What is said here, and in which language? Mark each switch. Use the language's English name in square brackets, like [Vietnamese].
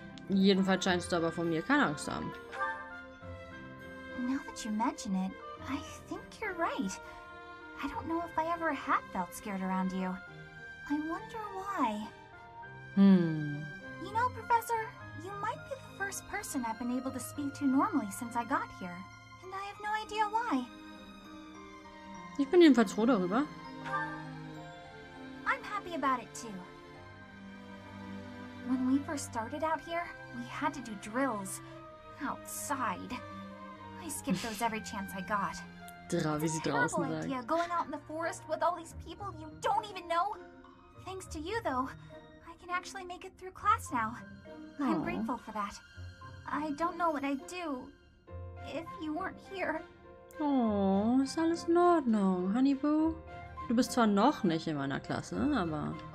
[German] Jedenfalls scheinst du aber von mir keine Angst zu haben. [English] Now that you mention it, I think you're right. I don't know if I ever have felt scared around you. I wonder why. Hmm. You know, Professor, you might be the first person I've been able to speak to normally since I got here. And I have no idea why. [German] Ich bin jedenfalls froh darüber. [English] I'm happy about it too. When we first started out here, we had to do drills outside. I skipped those every chance I got. It's a terrible idea, going out in the forest with all these people you don't even know. Thanks to you, though, I can actually make it through class now. I'm grateful for that. I don't know what I'd do if you weren't here. [German] Oh, ist alles in Ordnung, Honeyboo. Du bist zwar noch nicht in meiner Klasse, aber...